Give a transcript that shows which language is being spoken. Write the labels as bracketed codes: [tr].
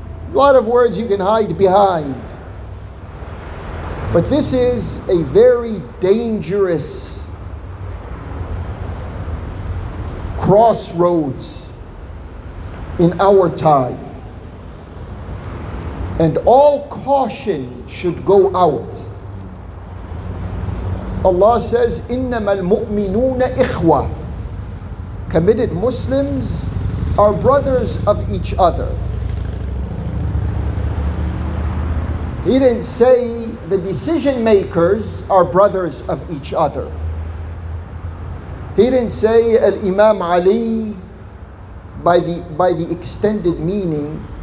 [en] A lot of words you can hide behind. But this is a very dangerous crossroads in our time. And all caution should go out. Allah says, [ar] إِنَّمَا الْمُؤْمِنُونَ إِخْوَةً. [en] Committed Muslims are brothers of each other. He didn't say the decision makers are brothers of each other. He didn't say Al-Imam Ali by the extended meaning.